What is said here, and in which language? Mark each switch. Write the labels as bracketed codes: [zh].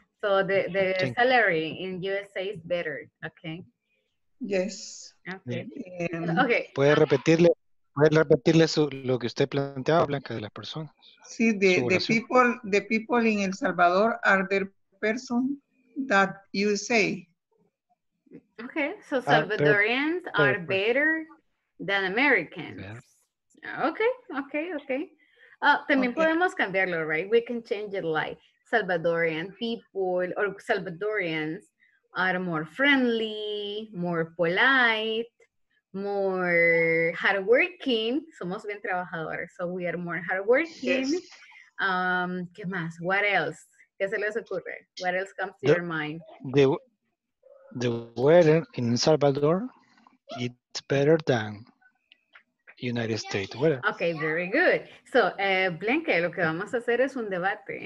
[en] So the salary in USA is better, okay? Yes. Okay. Okay. [es] ¿Puede repetirle? ¿Puedes repetirle su, lo que usted planteaba, Blanca, de las personas? [en] Sí, the people in El Salvador are the person that you say. Okay, so Salvadorians are better than Americans. Yeah. Okay. [es] Podemos cambiarlo, [en] right? We can change it like Salvadorian people or Salvadorians are more friendly, more polite, more hardworking. [es] Somos bien trabajadores, [en] so we are more hardworking. Yes. [es] ¿Qué más? [en] What else? [es] ¿Qué se les ocurre? [en] What else comes to your mind? The weather in Salvador is better than United States weather. Okay, very good. [es] So, Blanca, lo que vamos a hacer es un debate.